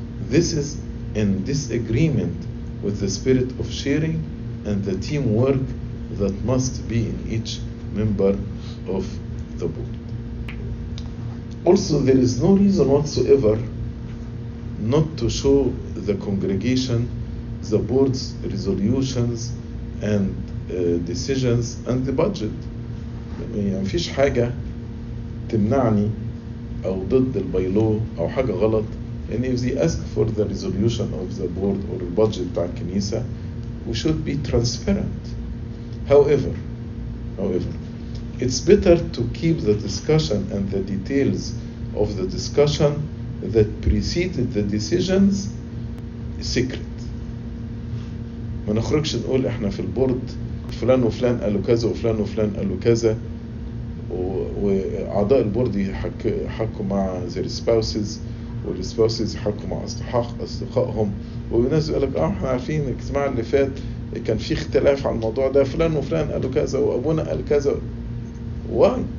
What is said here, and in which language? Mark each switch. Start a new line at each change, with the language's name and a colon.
English: This is in disagreement with the spirit of sharing and the teamwork that must be in each member of the board. Also, there is no reason whatsoever not to show the congregation the board's resolutions and decisions and the budget.
Arabic: مفيش حاجة تمنعني أو ضد الباي لو أو حاجة غلط.
English: And if they ask for the resolution of the board or budget
Arabic: بتاع الكنيسة,
English: we should be transparent. However, it's better to keep the discussion and the details of the discussion that preceded the decisions secret.
Arabic: ما نخرجش نقول إحنا في البورد فلان وفلان قالوا كذا وفلان وفلان قالوا كذا, وأعضاء البورد يحكوا مع
English: their spouses
Arabic: والسبوسز حكوا مع أصدقائهم, والناس يقول لك احنا عارفين الاجتماع اللي فات كان فيه اختلاف عن الموضوع ده, فلان وفلان قالوا كذا وابونا قال كذا.
English: Why?